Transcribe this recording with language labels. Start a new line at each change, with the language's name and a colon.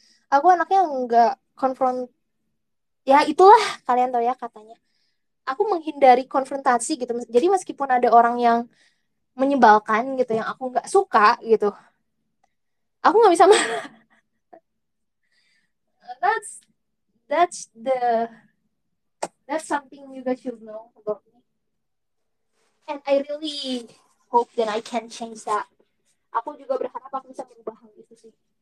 Indonesian: Aku anaknya nggak konfront, ya itulah kalian tau ya katanya. Aku menghindari konfrontasi gitu. Jadi meskipun ada orang yang menyebalkan gitu, yang aku nggak suka gitu, aku nggak bisa marah.
English: That's something you guys should know about me. And I really hope that I can change that.
Indonesian: Aku juga berharap aku bisa mengubah hal itu sih.